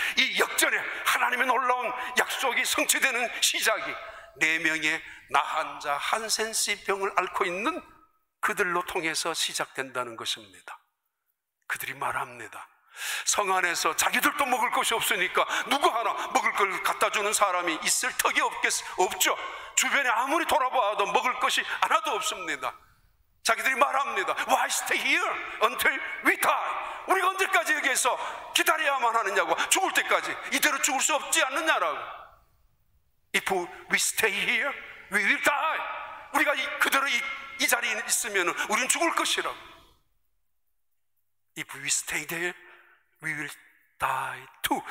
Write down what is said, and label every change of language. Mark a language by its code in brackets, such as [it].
[ko] 이 역전에 하나님의 놀라운 약속이 성취되는 시작이 네 명의 나 한자 한센스 병을 앓고 있는 그들로 통해서 시작된다는 것입니다. 그들이 말합니다. 성 안에서 자기들도 먹을 것이 없으니까 누구 하나 먹을 걸 갖다 주는 사람이 있을 턱이 없죠. 주변에 아무리 돌아봐도 먹을 것이 하나도 없습니다. 자기들이 말합니다. [en] Why stay here until we die? [ko] 우리가 언제까지 여기서 기다려야만 하느냐고, 죽을 때까지 이대로 죽을 수 없지 않느냐라고. [en] If we stay here, we will die. [ko] 우리가 그대로 이 자리에 있으면 우린 죽을 것이라고. [en] If we stay there, we will die too.